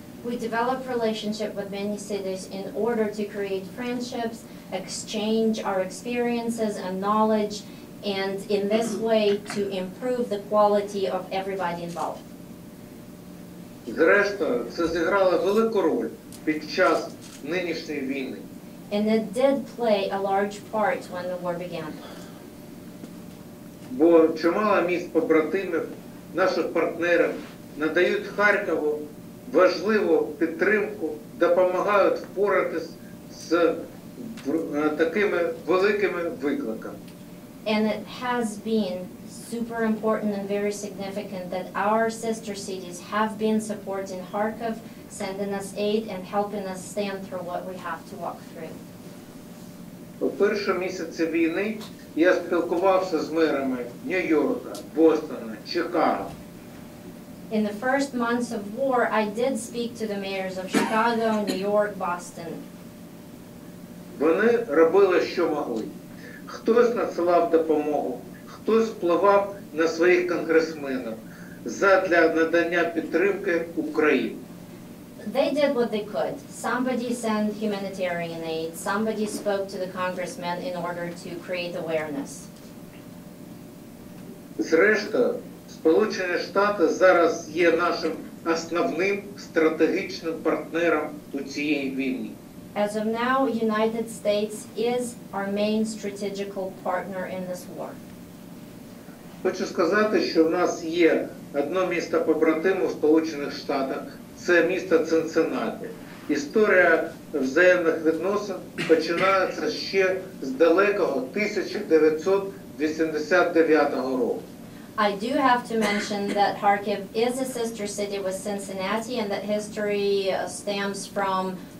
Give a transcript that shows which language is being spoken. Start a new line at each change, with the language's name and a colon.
English: We develop relationship with many cities in order to create friendships, exchange our experiences and knowledge, and in this way to improve the quality of everybody involved.
Ukrainian: Зрештою, це зіграло велику роль під час нинішньої війни.
English: And it did play a large part when the war began.
Ukrainian: Бо чимало міст побратимів, наших партнерів, надають Харкову важливу підтримку, допомагають впоратись з такими великими викликами.
English: And it has been super important and very significant that our sister cities have been supporting Kharkiv, sending us aid and helping us stand through what we have to walk through.
Ukrainian: У перші місяці війни я спілкувався з мерами Нью-Йорка, Бостона, Чикаго.
English: In the first months of war, I did speak to the mayors of Chicago, New York, Boston.
Ukrainian: Вони робили, що могли. Хтось надсилав допомогу, хтось впливав на своїх конгресменів задля надання підтримки Україні.
English: They did what they could. Somebody sent humanitarian aid, somebody spoke to the congressmen in order to create awareness.
Ukrainian: Зрештою, Сполучені Штати зараз є нашим основним стратегічним партнером у цієї війні.
English: As of now, United States is our main strategical partner in this war.
Ukrainian: Хочу сказати, що в нас є одне місто побратиму в Сполучених Штатах – це місто Цинциннаті. Історія взаємних відносин починається ще з далекого 1989 року.
English: I do have to mention that Kharkiv is a sister city with Cincinnati and that history stems from